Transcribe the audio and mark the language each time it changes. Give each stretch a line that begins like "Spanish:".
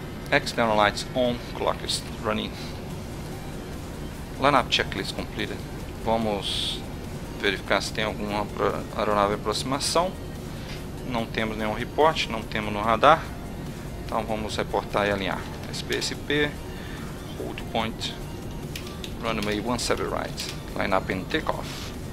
English: External lights on, clock is running. Lineup checklist completed.
Portuguese: Vamos verificar se tem alguma aeronave em aproximação. Não temos nenhum report, não temos no radar. Então vamos reportar e alinhar.
English: SPSP, hold point, runway 17 right, lineup and takeoff.